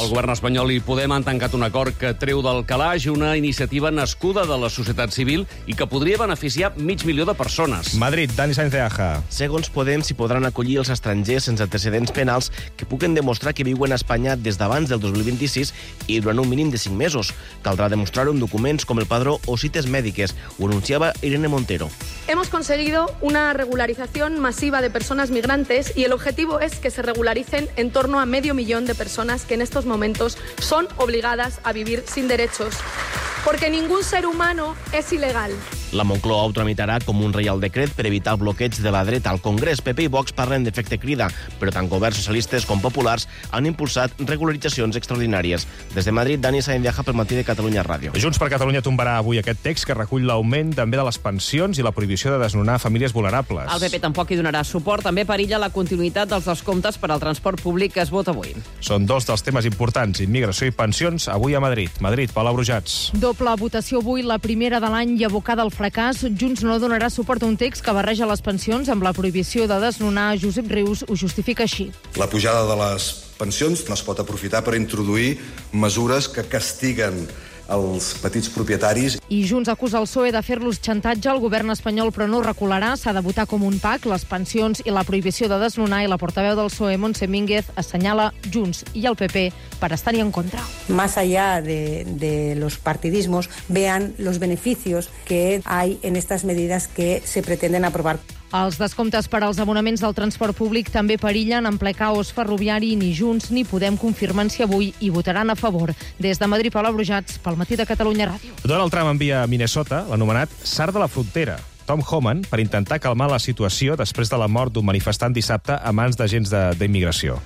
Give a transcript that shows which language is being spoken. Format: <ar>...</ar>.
<ca>El govern espanyol i Podem han tancat un acord que treu del calaix una iniciativa nascuda de la societat civil i que podria beneficiar 500.000 de persones. Madrid, Dani Sánchez de Aja. Segons Podem, s'hi podran acollir els estrangers sense antecedents penals que puguen demostrar que viuen a Espanya des d'abans del 2026 i durant un mínim de 5 mesos. Caldrà demostrar-ho amb documents com el padró o cites mèdiques, o en un Irene Montero.</ca> <es>Hemos conseguido una regularización masiva de personas migrantes y el objetivo es que se regularicen en torno a 500.000 de personas que en estos momentos son obligadas a vivir sin derechos. Porque ningún ser humano es ilegal.</es> <ca>La Moncloa ho tramitarà com un reial decret per evitar el bloqueig de la dreta al Congrés. PP i Vox parlen d'efecte crida, però tant governs socialistes com populars han impulsat regularitzacions extraordinàries. Des de Madrid, Dani Sáenz Viaja pel matí de Catalunya Ràdio. Junts per Catalunya tombarà avui aquest text que recull l'augment també de les pensions i la prohibició de desnonar famílies vulnerables. El PP tampoc hi donarà suport. També perilla la continuïtat dels descomptes per al transport públic que es vota avui. Són dos dels temes importants, immigració i pensions, avui a Madrid. Madrid, Palau Brujats. Doble votació avui, la primera de l'any i abocada al fracàs. Junts no donarà suport a un text que barreja les pensions amb la prohibició de desnonar. Josep Rius ho justifica així. La pujada de les pensions no es pot aprofitar per introduir mesures que castiguen els petits propietaris. I Junts acusa el PSOE de fer-los xantatge al govern espanyol, però no recularà. S'ha de votar com un PAC, les pensions i la prohibició de desnonar. I la portaveu del PSOE, Montse Mínguez, assenyala Junts i el PP per estar-hi en contra.</ca> <es>Más allá de los partidismos, vean los beneficios que hay en estas medidas que se pretenden aprobar.</es> <ca>Els descomptes per als abonaments del transport públic també perillen en ple caos ferroviari. Ni Junts ni Podem confirmen si avui hi votaran a favor. Des de Madrid, Palau Brujats, pel matí de Catalunya Ràdio. Donald Trump envia a Minnesota l'anomenat Sar de la Frontera, Tom Homan, per intentar calmar la situació després de la mort d'un manifestant dissabte a mans d'agents d'immigració.</ca>